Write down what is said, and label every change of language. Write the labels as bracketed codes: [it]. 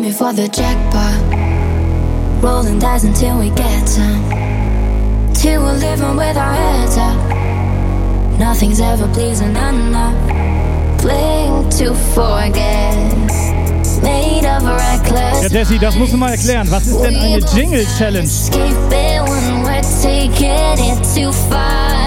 [en] The jackpot, rolling dice until we get some. Till we're living with our heads up, nothing's ever pleasing enough. Playing to forget, made of a reckless. [de] Ja, Desi, das musst du mal erklären. Was ist denn eine Jingle Challenge? [en] Escape it when we're taking it too far.